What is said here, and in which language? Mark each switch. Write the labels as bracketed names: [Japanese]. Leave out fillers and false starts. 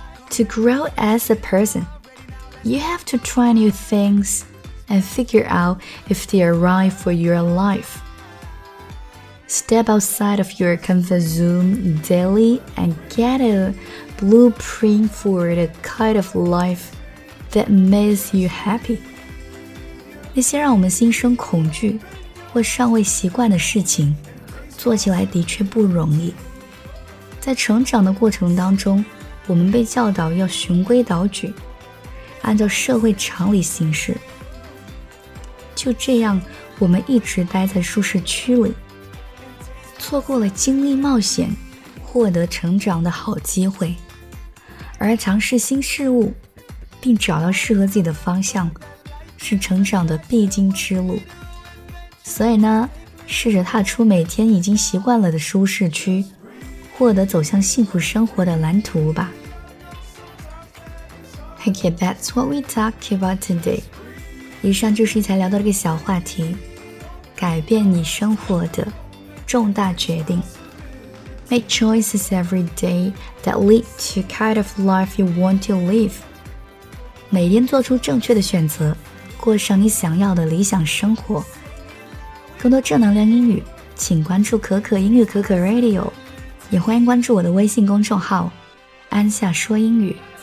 [English] To grow as a person, you have to try new things and figure out if they are right for your life. Step outside of your comfort zone daily and get a blueprint for the kind of life that makes you happy. [Chinese] 那些让我们心生恐惧或尚未习惯的事情做起来的确不容易。在成长的过程当中，我们被教导要循规蹈矩，按照社会常理行事。就这样，我们一直待在舒适区里，错过了经历冒险、获得成长的好机会。而尝试新事物，并找到适合自己的方向，是成长的必经之路。所以呢，试着踏出每天已经习惯了的舒适区，获得走向幸福生活的蓝图吧。 [English] Okay, that's what we talk about today. [Chinese] 以上就是一才聊到这个小话题，改变你生活的重大决定。 [English] Make choices every day that lead to kind of life you want to live. [Chinese] 每天做出正确的选择，过上你想要的理想生活。更多正能量英语，请关注可可英语可可 Radio， 也欢迎关注我的微信公众号安夏说英语。